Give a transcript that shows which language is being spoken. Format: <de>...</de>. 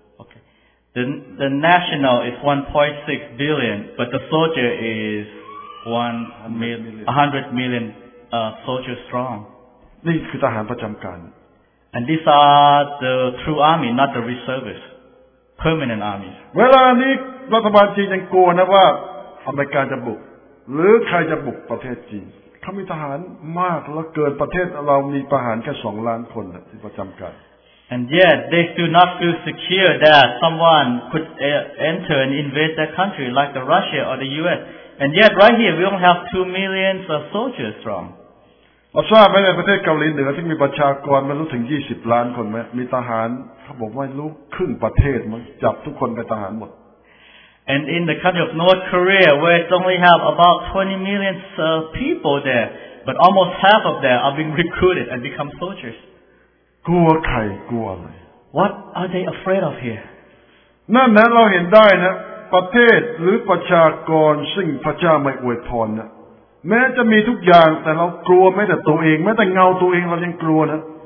<en>okay the national is 1.6 billion but the soldier is 100 million soldier strong</en> <th>นี่คือทหารประจำการ</th> <en>and these are the true army not the reservists permanent army</en> <th>เวลานี้รัฐบาลจีนยังกลัวนะว่าอเมริกาจะบุกหรือใครจะบุกประเทศจีนเขามีทหารมากแล้วเกินประเทศเรามีทหารแค่2ล้านคนที่ประจำการ</th> <en>and yet they do not feel secure that someone could enter and invade their country like the Russia or the US and yet right here we don't have 2 million of soldiers strong</en> <th>เราทราบไหมในประเทศเกาหลีเหนือที่มีประชากรมันรู้ถึง20ล้านคนไหมมีทหารเขาบอกว่ารู้ครึ่งประเทศมันจับทุกคนเป็นทหารหมด</th> <en>And in the country of North Korea, where it only have about 20 million people there, but almost half of them are being recruited and become soldiers.</en> <th>กลัวใครกลัวอะไร</th> <en>What are they afraid of here?</en> <th>นั่นนะเราเห็นได้นะประเทศหรือประชากรซึ่งพระเจ้าไม่อวยพรนะแม้จะมีทุกอย่างแต่เรากลัวแม้แต่ตัวเองแม้แต่เงาตัวเองเรายังกลัวนะ</th>